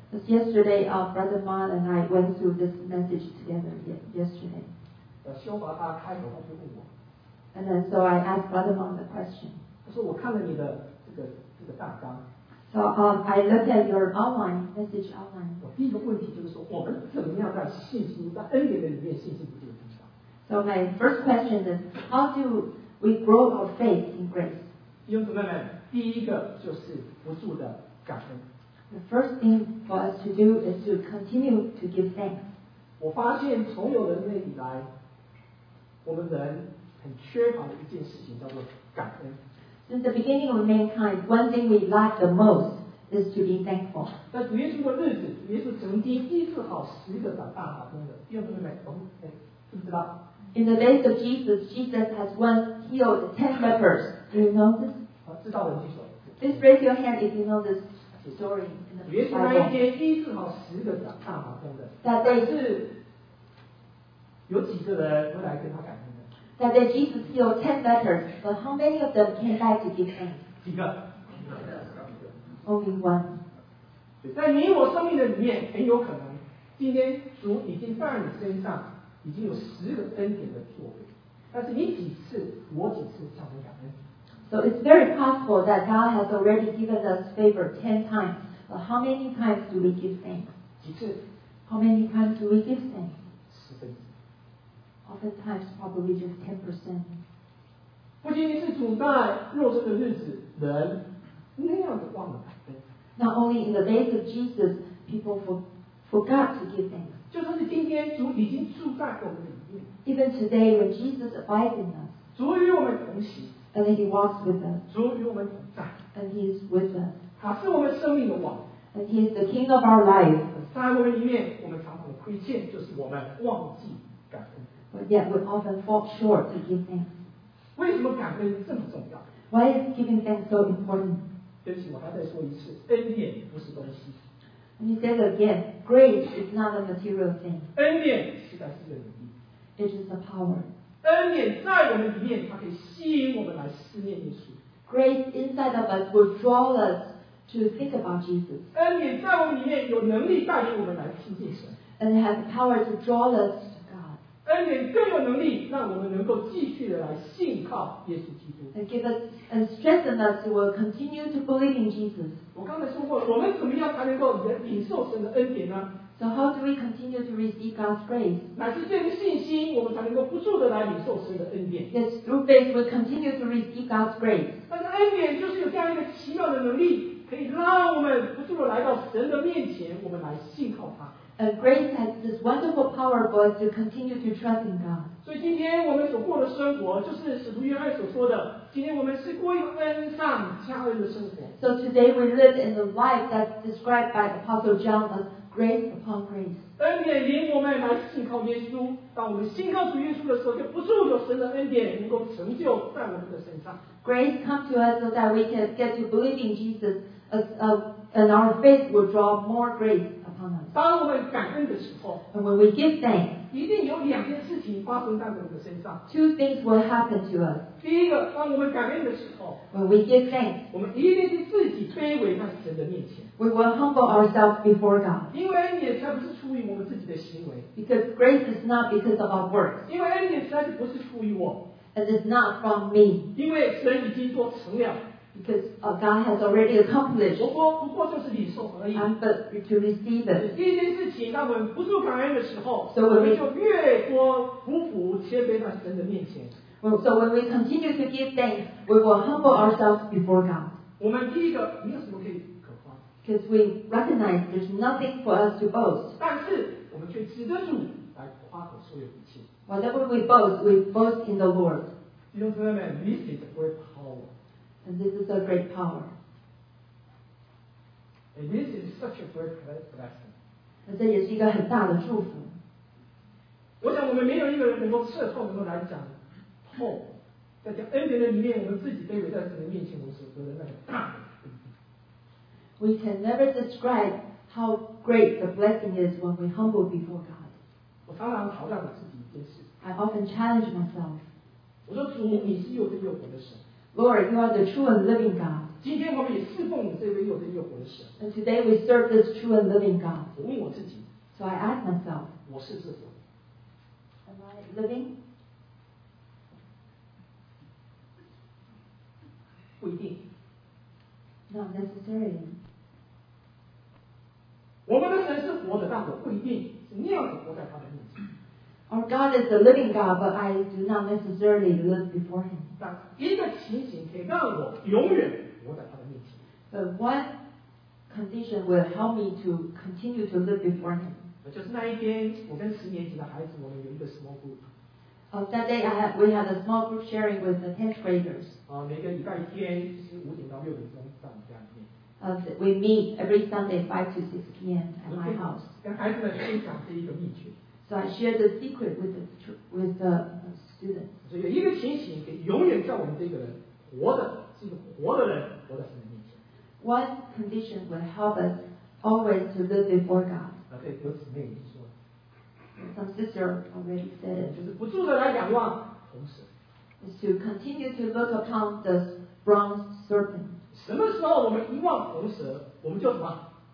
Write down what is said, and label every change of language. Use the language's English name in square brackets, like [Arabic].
[English] Because yesterday, Brother Ma and I went through this message together yesterday. [Chinese] 修华他开口他就问我。 [English] And then so I asked Brother Ma the question. [Chinese] 他说我看了你的这个大纲。 [English] So I look at your outline, message outline. [Chinese] 我第一个问题就是说，我们怎么样在信心在恩典的里面信心不住的增长 [English] ？So my first question is, how do we grow our faith in grace? [Chinese] 弟兄姊妹们，第一个就是不住的感恩。 [English] The first thing for us to do is to continue to give thanks. [Chinese] 我发现从有人类以来，我们人很缺乏的一件事情叫做感恩。 [English] Since the beginning of mankind, one thing we lack the most is to be thankful. [Chinese] 在主耶稣的日子，主耶稣曾经医治好十个长大麻风的，弟兄姊妹们，懂不知道 [English] ？In the days of Jesus, Jesus has once healed 10 lepers. Do you know this? [Chinese] 知道的举手。 [English] Please raise your hand if you know this story. [Chinese] 主耶稣那一天医治好十个长大麻风的，但是有几个人会来跟他感恩？ [English] That day Jesus healed 10 lepers, but how many of them came back to give thanks? [Chinese] 几个？ [English] Only one. [Chinese] 在你我生命的里面，很有可能，今天主已经在你身上已经有十个恩典的作为，但是你几次，我几次向他感恩 [English] ？So it's very possible that God has already given us favor 10 times, but how many times do we give thanks? [Chinese] 几次 [English] ？How How many times do we give thanks? 10%. Oftentimes, probably just 10%. [Chinese] 不仅仅是主在肉身的日子，人那样的忘了。 [English] Not only in the days of Jesus, people forgot to give thanks. [Chinese] 就算是今天，主已经住在我们里面。 [English] Even today, when Jesus abides in us, [Chinese] 主与我们同行。 [English] And he walks with us. [Chinese] 主与我们同在。 [English] And he is with us. [Chinese] 他是我们生命的王。 [English] And he is the king of our life. [Chinese] 在我们里面，我们常常亏欠，就是我们忘记感恩。 [English] But yet we often fall short to give thanks. [Chinese] 为什么感恩这么重要？ [English] Why is giving thanks so important? [Chinese] 对不起，我还再说一次，恩典不是东西。 [English] And he says again, grace is not a material thing. [Chinese] 恩典实在是能力。 [English] It is a power. [Chinese] 恩典在我们里面，它可以吸引我们来思念耶稣。 [English] Grace inside of us will draw us to think about Jesus. [Chinese] 恩典在我们里面有能力带领我们来亲近神。 [English] And it has power to draw us to God. [Chinese] 恩典更有能力让我们能够继续的来信靠耶稣基督。 [English] And give us. And strengthen us to continue to believe in Jesus. [Chinese] 我刚才说过，我们怎么样才能够领受神的恩典呢？ [English] So how do we continue to receive God's grace? [Chinese] 乃是借着信心，我们才能够不住的来领受神的恩典。 [English] Yes, through faith we continue to receive God's grace. [Chinese] 但是恩典就是有这样一个奇妙的能力，可以让我们不住的来到神的面前，我们来信靠他。 [English] And grace has this wonderful power for us to continue to trust in God. [Chinese] 所以今天我们所过的生活，就是使徒约翰所说的。今天我们是过一个恩上加恩的生活。 [English] So today we live in the life that's described by Apostle John as grace upon grace. [Chinese] 恩典领我们来信靠耶稣。当我们信靠主耶稣的时候，就不住有神的恩典能够成就在我们的身上。 [English] Grace comes to us so that we can get to believe in Jesus, and our faith will draw more grace upon us. [Chinese] 当我们感恩的时候 [English] ，and when we give thanks. [Chinese] 一定有两件事情发生在我们的身上。 [English] Two things will happen to us. [Chinese] 第一个，当我们感恩的时候 [English] ，When we give thanks， [Chinese] 我们一定是自己卑微在神的面前。 [English] We will humble ourselves before God. [Chinese] 因为恩典才不是出于我们自己的行为。 [English] Because grace is not because of our works. [Chinese] 因为恩典实在不是出于我。 [English] And it's not from me. [Chinese] 因为神已经做成了。 [English] Because God has already accomplished. [Chinese] 不过就是领受而已。 [English] And but to receive it. [Chinese] 第一件事情，当我们不住感恩的时候，我们就越多匍匐谦卑在神的面前。 [English] So when we continue to give thanks, we will humble ourselves before God. [Chinese] 我们第一个没有什么可以可夸。 [English] Because we recognize there's nothing for us to boast. [Chinese] 但是我们却指着主来夸口所有一切。 [English] Whatever we boast in the Lord. [Chinese] 弟兄姊妹们 [English] ，this is great power. And this is a great power. And this is such a great blessing. [Chinese] 这也是一个很大的祝福。我想我们没有一个人能够彻透，能够来讲透，在讲恩典的里面，我们自己卑微在神的面前，我们所得的那个大。 [English] We can never describe how great the blessing is when we humble before God. [Chinese] 我常常挑战我自己一件事。 [English] I often challenge myself. [Chinese] 我说主，你是有真有活的神。 [English] Lord, you are the true and living God. [Chinese] 今天我们也侍奉这位又真又活的神。 [English] And today we serve this true and living God. [Chinese] 我问我自己。 [English] So I ask myself. [Chinese] 我是自活。 [English] Am I living? [Chinese] 不一定。 [English] Not necessarily. [Chinese] 我们的神是活的，但我不一定是那样子活在他的面前。 [English] Our God is the living God, but I do not necessarily live before Him. [Chinese] 一个情形可以让我永远活在他的面前。 [English] But what condition will help me to continue to live before Him? [Chinese] 就是那一天，我跟十年级的孩子，我们有一个 [English] small group. That day, we had a small group sharing with the 10th graders. [Chinese] 每个礼拜天是五点到六点钟在我们家里面。 [English] We meet every Sunday 5 to 6 p.m. at my house. [Chinese] 跟孩子们分享这一个秘诀。 [English] So I share the secret with the student. [Chinese] 所以有一个情形，可以永远叫我们这个人活的，是一个活的人，活在神的面前。 [English] One condition will help us always to live before God. [Chinese] 对，有姊妹已经说了。 [English] Some sister already said. [Chinese] 就是不住的来仰望红蛇。 [English] Is to continue to look upon the bronze serpent. [Chinese] 什么时候我们一望红蛇，我们就什么